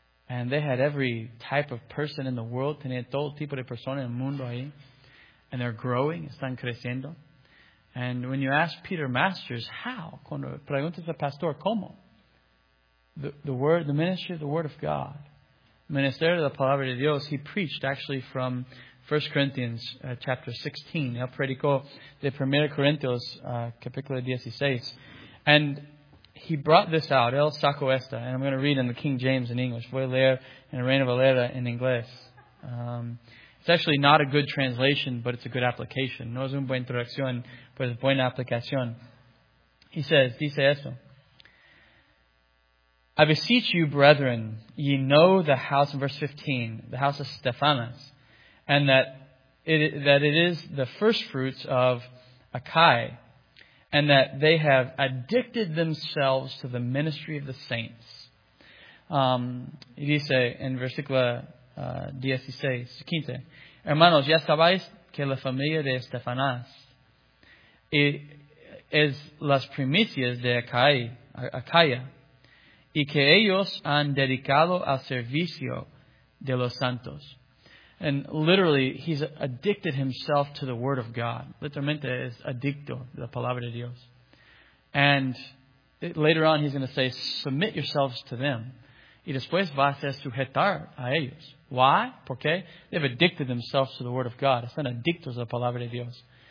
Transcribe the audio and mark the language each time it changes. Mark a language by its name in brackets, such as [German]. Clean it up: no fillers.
[English] And they had every type of person in the world. [Spanish] Tenían todo tipo de persona en el mundo ahí. [English] And they're growing. [Spanish] Están creciendo. [English] And when you ask Peter Masters, how? [Spanish] Cuando preguntas al pastor, ¿cómo? [English] The word, the ministry of the Word of God. [Spanish] Ministerio de la Palabra de Dios. [English] He preached actually from 1 Corinthians chapter 16. [Spanish] Él predicó de 1 Corinthians capítulo 16. [English] And he brought this out. [Spanish] Él sacó esta. [English] And I'm going to read in the King James in English. [Spanish] Voy a leer en Reina Valera [English] in [Spanish] inglés. [English] It's actually not a good translation, but it's a good application. [Spanish] No es una buena traducción, pero es buena aplicación. [English] He says, [Spanish] dice esto. [English] I beseech you, brethren, ye know the house, in verse 15, the house of Stephanas, and that it is the first fruits of Achai, and that they have addicted themselves to the ministry of the saints. [Spanish] Dice en versículo 16, hermanos, ya sabéis que la familia de Estefanás es las primicias de Acaya, y que ellos han dedicado al servicio de los santos. [English] And literally, he's addicted himself to the Word of God. [Spanish] Literalmente, es adicto a la Palabra de Dios. [English] And later on, he's going to say, submit yourselves to them. [Spanish] Y después va a ser sujetar a ellos. [English] Why? [Spanish] Porque [English] they've addicted themselves to the Word of God. [Spanish] Están adictos a la Palabra de Dios.